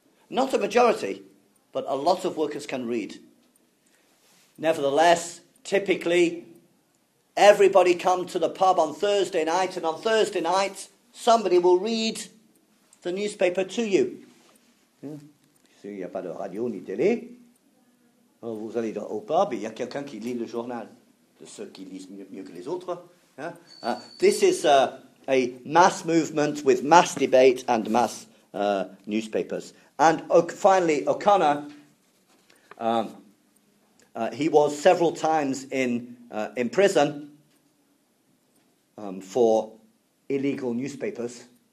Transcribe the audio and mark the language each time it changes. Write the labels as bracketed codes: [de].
[en] Not a majority, but a lot of workers can read. Nevertheless, typically, everybody come to the pub on Thursday night, and on Thursday night, somebody will read the newspaper to you. [fr] S'il n'y a pas de radio ni télé, vous allez au pub, il y a quelqu'un qui lit le journal, de ceux qui lisent mieux que les autres. [en] This is a mass movement with mass debate and mass newspapers. And finally, O'Connor, he was several times in prison for illegal newspapers.